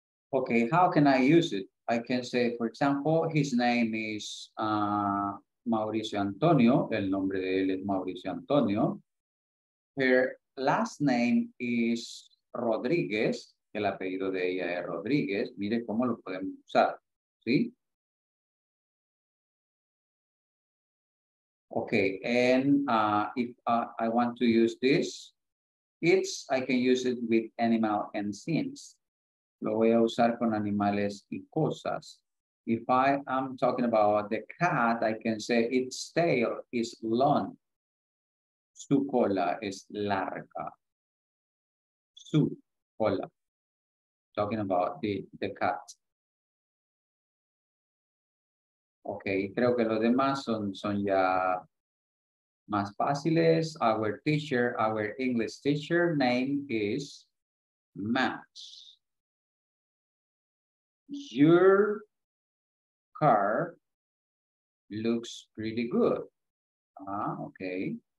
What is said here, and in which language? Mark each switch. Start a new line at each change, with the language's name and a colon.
English: Okay, how can I use it? I can say, for example, his name is Mauricio Antonio.
Spanish: El nombre de él es Mauricio Antonio.
English: Her last name is
Spanish: Rodríguez, el apellido de ella es Rodríguez, mire cómo lo podemos usar, ¿sí?
English: Okay, and if I want to use this, I can use it with animal and things.
Spanish: Lo voy a usar con animales y cosas.
English: If I am talking about the cat, I can say its tail is long.
Spanish: Su cola es larga. Su cola.
English: Talking about the cat.
Spanish: Okay, creo que los demás son ya más fáciles.
English: Our teacher, our English teacher name is Max. Your car looks pretty good. Okay.